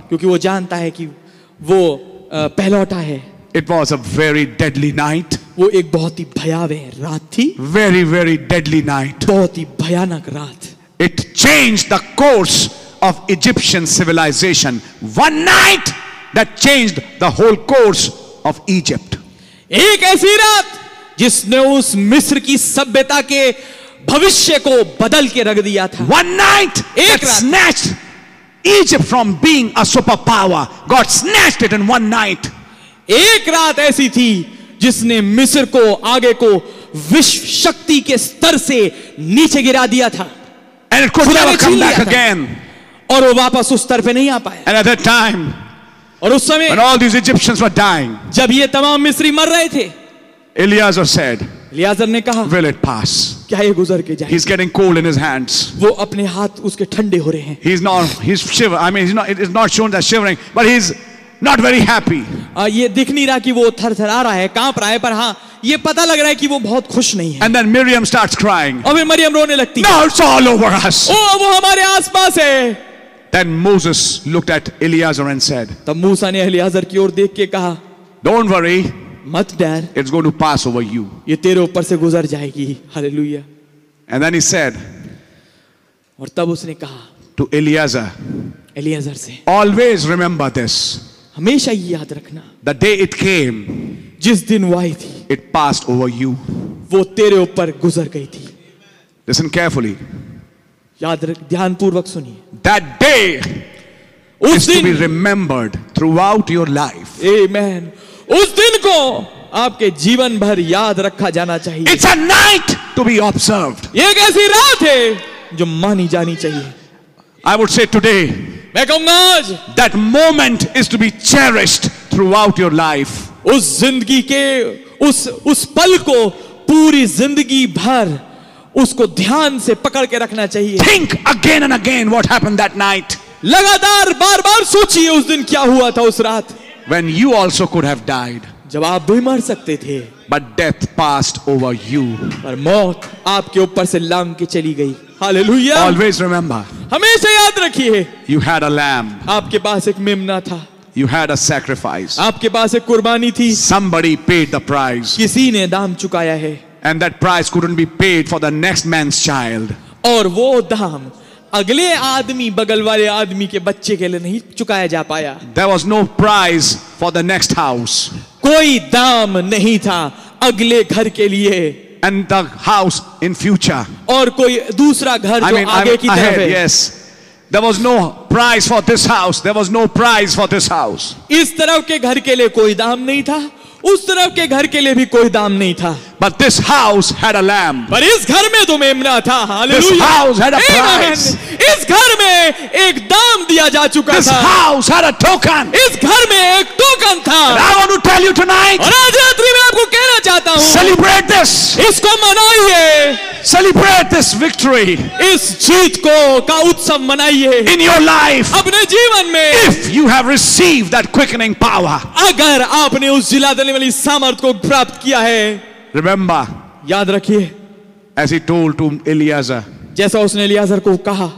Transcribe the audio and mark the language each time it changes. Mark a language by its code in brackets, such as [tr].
[hi] क्योंकि वो जानता है कि वो पहलौठा है. [en] It was a very deadly night. [hi] वो एक बहुत ही भयावह रात थी. [en] Very, very deadly night. [hi] बहुत ही भयानक रात. [en] It changed the course of Egyptian civilization. One night that changed the whole course of Egypt. [hi] एक ऐसी रात जिसने उस मिस्र की सभ्यता के भविष्य को बदल के रख दिया था. [en] One night [hi] एक [en] that snatched Egypt from being a superpower. God snatched it in one night. [hi] एक रात ऐसी थी जिसने मिस्र को आगे को विश्व शक्ति के स्तर से नीचे गिरा दिया था. [en] And it could never come back again. [hi] और वो वापस उस स्तर पे नहीं आ पाया. [en] And at that time, [hi] और उस समय, [en] when all these Egyptians were dying, [hi] जब ये तमाम मिस्री मर रहे थे, [en] Eliezer said, [hi] Eliezer ने कहा, [en] "Will it pass?" [hi] क्या ये गुजर के जाए? [en] He's getting cold in his hands. [hi] वो अपने हाथ उसके ठंडे हो रहे हैं. [en] It's not shown that shivering, but he's not very happy. [hi] ये दिख नहीं रहा कि वो थरथरा रहा है, कांप रहा है, पर हाँ, ये पता लग रहा है कि वो बहुत खुश नहीं है. [en] And then Miriam starts crying. [hi] और फिर मरियम रोने लगती है. [en] Now it's all over us. [hi] ओ, वो हमारे आसपास है. [en] Then Moses looked at Eliezer and said. [hi] तब मूसा ने एलियाजर की ओर देख के कहा. [en] Don't worry. [hi] मत डर. [en] It's going to pass over you. [hi] ये तेरे ऊपर से गुजर जाएगी. [en] Hallelujah. And then he said. [hi] और तब उसने कहा. [en] To Eliezer. [hi] एलियाजर से. [en] Always remember this. [hi] हमेशा ये याद रखना. [en] The day it came. [hi] जिस दिन वो आई थी, [en] it passed over you. [hi] वो तेरे ऊपर गुजर गई थी. [en] Listen carefully. [hi] याद रख, ध्यान पूर्वक सुनिए. [en] That day [hi] उस दिन, [en] is to be remembered throughout your life. Amen. [hi] उस दिन को आपके जीवन भर याद रखा जाना चाहिए. [en] It's a night to be observed. [hi] एक ऐसी रात है जो मानी जानी चाहिए. [en] I would say today. [hi] मैं कहूंगा आज. [en] That moment is to be cherished throughout your life. [hi] उस जिंदगी के उस पल को पूरी जिंदगी भर उसको ध्यान से पकड़ के रखना चाहिए. [en] Think again and again what happened that night. [hi] लगातार बार बार सोचिए उस दिन क्या हुआ था उस रात. [en] When you also could have died. [hi] जब आप भी मर सकते थे. [en] But death passed over you. [hi] पर मौत आपके ऊपर से लांग के चली गई. [en] Hallelujah. Always remember. [hi] हमेशा याद रखिए. [en] You had a lamb. [hi] आपके पास एक मेमना था. [en] You had a sacrifice. [hi] आपके पास एक कुर्बानी थी. [en] Somebody paid the price. [hi] किसी ने दाम चुकाया है. [en] And that price couldn't be paid for the next man's child. [hi] और वो दाम अगले आदमी बगल वाले आदमी के बच्चे के लिए नहीं चुकाया जा पाया. [en] There was no price for the next house. [hi] कोई दाम नहीं था अगले घर के लिए. [en] And the house in future. [hi] और कोई दूसरा घर जो आगे की तरफ है. [en] Yes. There was no price for this house. There was no price for this house. [hi] इस तरफ के घर के लिए कोई दाम नहीं था. उस तरफ के घर के लिए भी कोई दाम नहीं था. [en] But this house had a lamb. [hi] पर इस घर में तो मेमना था. [en] Hallelujah. This house had a price. [hi] इस घर में एक दाम दिया जा चुका [en] था. This house had a token. [hi] इस घर में एक टोकन था. [en] And I want to tell you tonight. [hi] और आज रात्रि में आपको कहना चाहता हूँ. [en] Celebrate this. [hi] इसको मनाइए. [en] Celebrate this victory. [hi] इस जीत को का उत्सव मनाइए. [en] In your life. [hi] अपने जीवन में. [en] If you have received that quickening power. [hi] अगर आपने उस जिला देने वाली सामर्थ को प्राप्त किया है. [en] Remember. [hi] याद रखिए. [en] As he told to Eliezer. [hi] जैसा उसने एलियाजर को कहा.